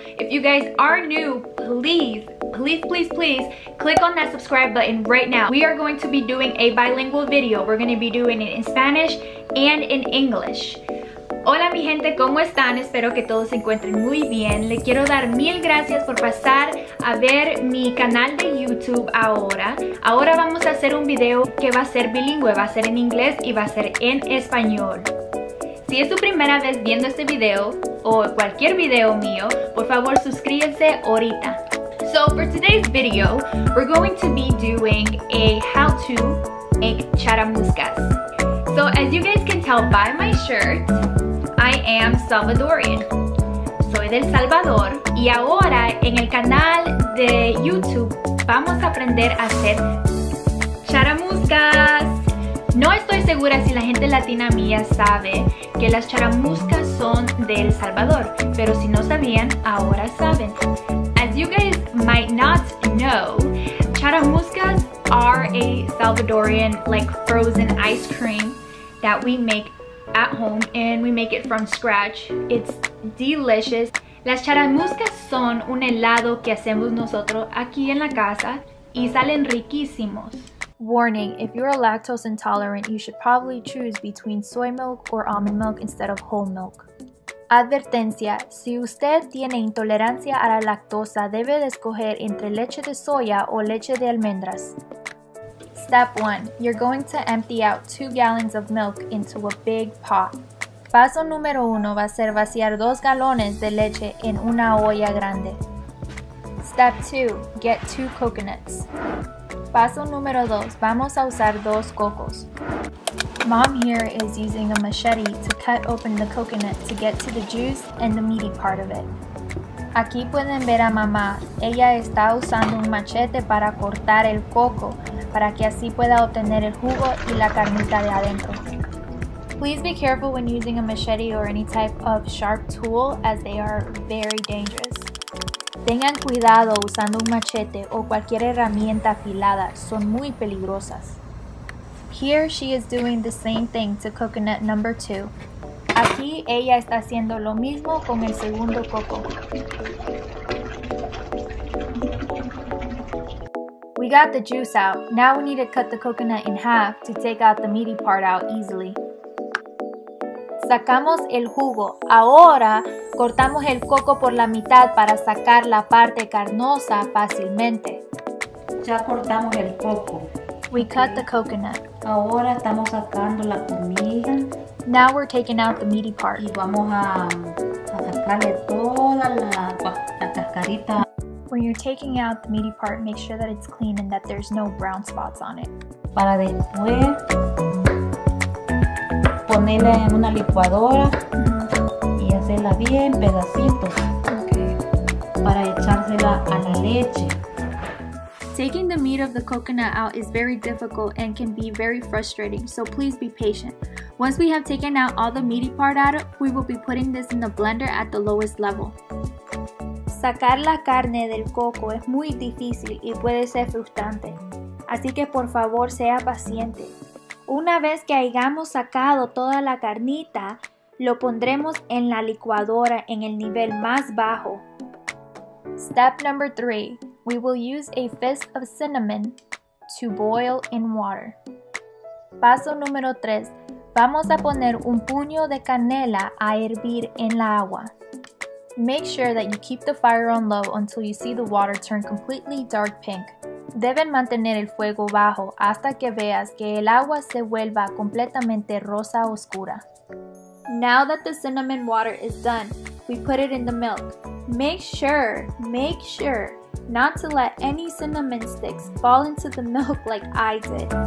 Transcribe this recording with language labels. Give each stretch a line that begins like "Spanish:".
English: If you guys are new, please click on that subscribe button right now. We are going to be doing a bilingual video. We're going to be doing it in Spanish and in English.
Spanish: Hola mi gente, ¿cómo están? Espero que todos se encuentren muy bien. Le quiero dar mil gracias por pasar a ver mi canal de YouTube ahora. Ahora vamos a hacer un video que va a ser bilingüe, va a ser en inglés y va a ser en español. Si es tu primera vez viendo este video o cualquier video mío, por favor suscríbete ahorita.
English: So for today's video, we're going to be doing a how to make charamuscas. So as you guys can tell by my shirt, I am Salvadorian.
Spanish: Soy del Salvador. Y ahora en el canal de YouTube vamos a aprender a hacer charamuscas. No estoy segura si la gente latina mía sabe que las charamuscas son de El Salvador, pero si no sabían, ahora saben.
English: As you guys might not know, charamuscas are a Salvadorian like frozen ice cream that we make at home and we make it from scratch. It's delicious.
Spanish: Las charamuscas son un helado que hacemos nosotros aquí en la casa y salen riquísimos.
English: Warning, if you are lactose intolerant, you should probably choose between soy milk or almond milk instead of whole milk.
Spanish: Advertencia, si usted tiene intolerancia a la lactosa, debe de escoger entre leche de soya o leche de almendras.
English: Step 1, you're going to empty out 2 gallons of milk into a big pot.
Spanish: Paso número 1 va a ser vaciar 2 galones de leche en una olla grande.
English: Step 2, get 2 coconuts.
Spanish: Paso número 2, vamos a usar 2 cocos.
English: Mom here is using a machete to cut open the coconut to get to the juice and the meaty part of it.
Spanish: Aquí pueden ver a mamá, ella está usando un machete para cortar el coco para que así pueda obtener el jugo y la carnita de adentro.
English: Please be careful when using a machete or any type of sharp tool as they are very dangerous.
Spanish: Tengan cuidado usando un machete o cualquier herramienta afilada, son muy peligrosas.
English: Here she is doing the same thing to coconut number 2.
Spanish: Aquí ella está haciendo lo mismo con el segundo coco.
English: We got the juice out. Now we need to cut the coconut in half to take out the meaty part out easily.
Spanish: Sacamos el jugo. Ahora cortamos el coco por la mitad para sacar la parte carnosa fácilmente. Ya cortamos el coco.
English: We cut the coconut.
Spanish: Ahora estamos sacando la comida.
English: Now we're taking out the meaty part.
Spanish: Y vamos a sacarle toda la cascarita.
English: When you're taking out the meaty part, make sure that it's clean and that there's no brown spots on it.
Spanish: Para después ponerla en una licuadora y hacerla bien pedacitos para echársela a la leche.
English: Taking the meat of the coconut out is very difficult and can be very frustrating, so please be patient. Once we have taken out all the meaty part out, we will be putting this in the blender at the lowest level.
Spanish: Sacar la carne del coco es muy difícil y puede ser frustrante, así que por favor sea paciente. Una vez que hayamos sacado toda la carnita, lo pondremos en la licuadora en el nivel más bajo.
English: Step number 3. We will use a fist of cinnamon to boil in water.
Spanish: Paso número 3. Vamos a poner un puño de canela a hervir en la agua.
English: Make sure that you keep the fire on low until you see the water turn completely dark pink.
Spanish: Deben mantener el fuego bajo hasta que veas que el agua se vuelva completamente rosa oscura.
English: Now that the cinnamon water is done, we put it in the milk. Make sure not to let any cinnamon sticks fall into the milk like I did.